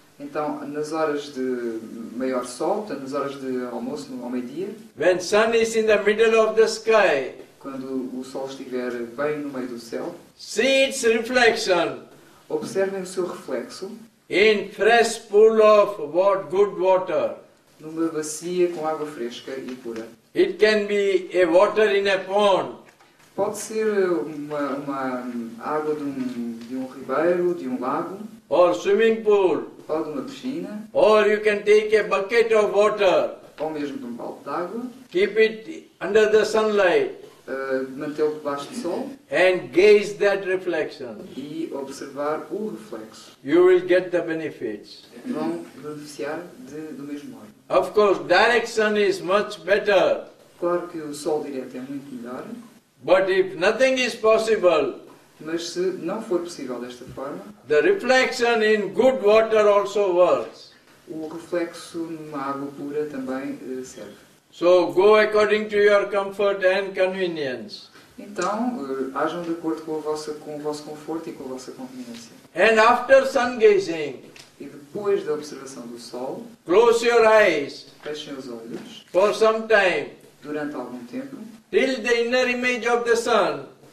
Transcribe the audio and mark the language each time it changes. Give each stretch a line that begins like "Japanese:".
Portuguese: então nas horas de maior sol, portanto, nas horas de almoço, ao meio-dia,
English: when sun is in the middle of the sky,
Portuguese: quando o sol estiver bem no meio do céu,
English: see its reflection,
Portuguese: observem o seu reflexo,
English: in fresh pool of good water,
Portuguese: numa bacia com água fresca e pura.
English: It can be a water in a pond.
Portuguese: Pode ser uma água de um ribeiro, de um lago.
English: Or swimming pool.
Portuguese: Ou de uma piscina.
English: Or you can take a bucket of water.
Portuguese: Ou mesmo de um balde de água.
English: Keep it under the sunlight.
Portuguese: Mantê-lo debaixo do sol.
English: And gaze that reflection.
Portuguese: E observar o reflexo.
English: You will get the benefits.
Portuguese: Vão beneficiar do mesmo modo.
English: Of course, direct sun is much better.
Portuguese: Claro que o sol direto é muito melhor.
English: But if nothing is possible,
Portuguese: mas se não for possível desta forma,
English: the reflection in good water also works.
Portuguese: O reflexo numa água pura também serve.
English: So go according to your comfort and convenience.
Portuguese: Então, ajam de acordo com o vosso conforto e com a vossa conveniência.
English: And after sun gazing,
Portuguese: e depois da observação do sol,
English: close your eyes.
Portuguese: Fechem os olhos.
English: For some time.
Portuguese: Durante algum tempo.
English: Till the inner image of the sun,